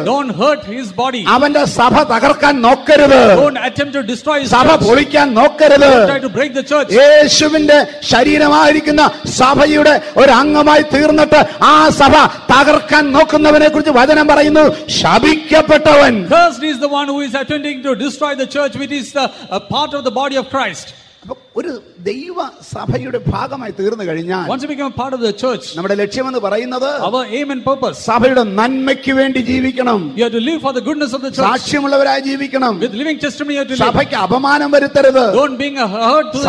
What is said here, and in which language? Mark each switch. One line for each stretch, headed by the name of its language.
English: Don't hurt his body.
Malayalam: അവന്റെ സഭ തകർക്കാൻ നോക്കരുത്.
English: don't attempt to destroy his
Malayalam: സഭ. പൊളിക്കാൻ നോക്കരുത്.
English: Don't to break the church.
Malayalam: യേശുവിന്റെ ശരീരമായിരിക്കുന്ന സഭയുടെ ഒരു അംഗമായി തീർന്നിട്ട് ആ സഭ തകർക്കാൻ നോക്കുന്നവനെ കുറിച്ച് വചനം പറയുന്നു, ശപിക്കപ്പെട്ടവൻ.
English: Cursed is the one who is attempting to destroy the church, which is the part of the body of Christ.
Malayalam: ഒരു ദൈവ സഭയുടെ ഭാഗമായി തീർന്നു കഴിഞ്ഞാൽ,
English: once you become part of the church,
Malayalam: നമ്മുടെ ലക്ഷ്യം എന്ന് പറയുന്നത്
English: അവർ aim and purpose,
Malayalam: സഭയുടെ നന്മയ്ക്ക് വേണ്ടി ജീവിക്കണം.
English: You have to live for the goodness of the church.
Malayalam: സാക്ഷ്യമുള്ളവരായി ജീവിക്കണം.
English: with living testimony you have to
Malayalam: live. സഭയ്ക്ക് അപമാനം വരുത്തരുത്.
English: Don't being hurt to the church.